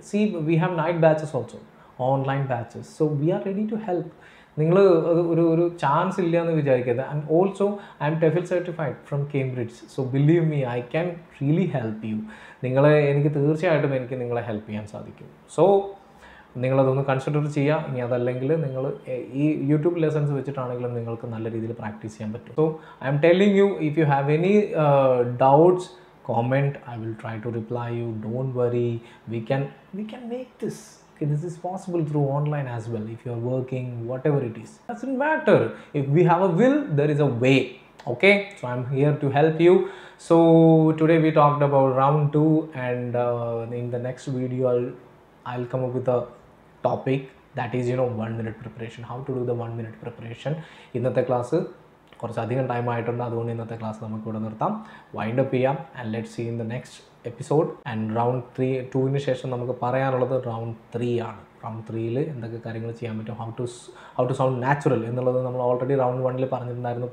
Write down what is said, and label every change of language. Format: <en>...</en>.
<en>See, we have night batches also, online batches, so we are ready to help.</en> <ml>നിങ്ങൾ ഒരു ഒരു chance ഇല്ല എന്ന് വിചാരിക്കരുത്.</ml> <en>And also I'm TEFL certified from Cambridge, so believe me I can really help you.</en> <ml>നിങ്ങളെ എനിക്ക് തീർച്ചയായിട്ടും എനിക്ക് നിങ്ങളെ ഹെൽപ്പ് ചെയ്യാൻ സാധിക്കും. സോ നിങ്ങളതൊന്ന് കൺസിഡർ ചെയ്യുക. ഇനി അതല്ലെങ്കിൽ നിങ്ങൾ ഈ യൂട്യൂബ് ലെസൺസ് വെച്ചിട്ടാണെങ്കിലും നിങ്ങൾക്ക് നല്ല രീതിയിൽ പ്രാക്ടീസ് ചെയ്യാൻ പറ്റും.</ml> <en>So I'm telling you, if you have any doubts comment, I will try to reply you. Don't worry, we can make this this is possible through online as well. If you are working, whatever it is, doesn't matter. If we have a will, there is a way. Okay, so I'm here to help you. So today we talked about round 2 and in the next video I'll come up with a topic that is, you know, 1 minute preparation, how to do the 1 minute preparation.</en> <ml>ഇന്നത്തെ class കുറച്ചധികം time ആയിട്ടുണ്ട്, അതുകൊണ്ട് ഇന്നത്തെ class നമുക്ക് ഇവിടെ നിർത്താം, wind up ചെയ്യാം.</ml> <en>And let see in the next episode.</en> <ml>And round 2 ശേഷം നമുക്ക് പറയാനുള്ളത് റൗണ്ട് 3 ആണ്. റൗണ്ട് 3 എന്തൊക്കെ കാര്യങ്ങൾ ചെയ്യാൻ പറ്റും,</ml> <en>how to sound natural</en> <ml>എന്നുള്ളത് നമ്മൾ ഓൾറെഡി റൗണ്ട് 1 പറഞ്ഞിട്ടുണ്ടായിരുന്നു.</ml>